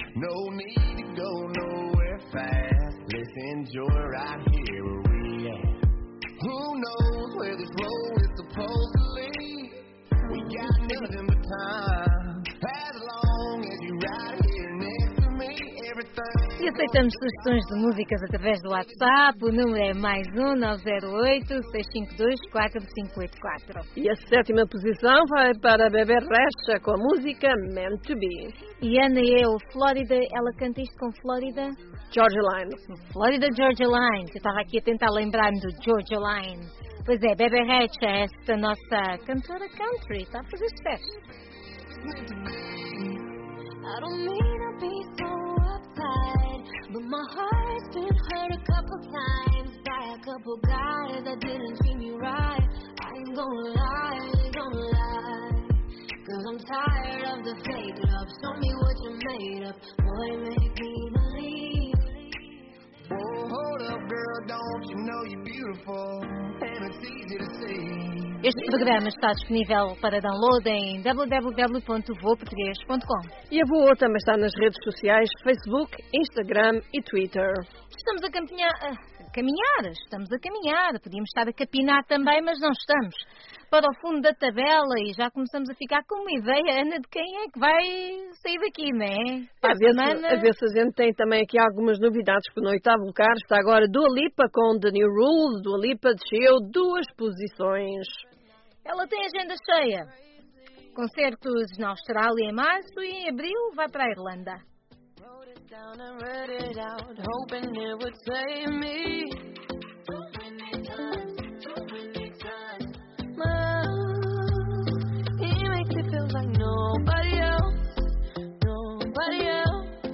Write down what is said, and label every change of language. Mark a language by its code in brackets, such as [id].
[en] No need to go nowhere fast. Let's enjoy right here where we at. Who knows where this road is supposed to lead? We got nothing but time. As long as you're right here next to me, everything. [pt] E aceitamos sugestões de músicas através do WhatsApp, o número é +1 908 652 4584. E a sétima posição vai para Bebê Rexha com a música Meant to Be. E Ana é o Florida, ela canta isto com Florida? Georgia Line. Florida Georgia Line, eu estava aqui a tentar lembrar-me do Georgia Line. Pois é, Bebê Rexha, esta nossa cantora country, está a fazer sucesso. [en] I don't mean to be so uptight, but my heart's been hurt a couple times by a couple guys that didn't treat me right. I ain't gonna lie, cause I'm tired of the fake love. Show me what you're made of, boy, make me believe. Oh, hold up, girl, don't you know you're beautiful, and it's easy to see. [pt] Este programa está disponível para download em www.voaportugues.com. E a Voa também está nas redes sociais, Facebook, Instagram e Twitter. Estamos a caminhar. Podíamos estar a capinar também, mas não estamos. Para o fundo da tabela e já começamos a ficar com uma ideia, Ana, de quem é que vai sair daqui, não é? A ver se a gente tem também aqui algumas novidades, porque no oitavo lugar está agora Dua Lipa com The New Rules. Dua Lipa desceu duas posições. Ela tem agenda cheia. Concertos na Austrália em março e em abril vai para a Irlanda. [en] Down and read it out, hoping it would save me. Too many times. My love, he makes me feel like nobody else, nobody else.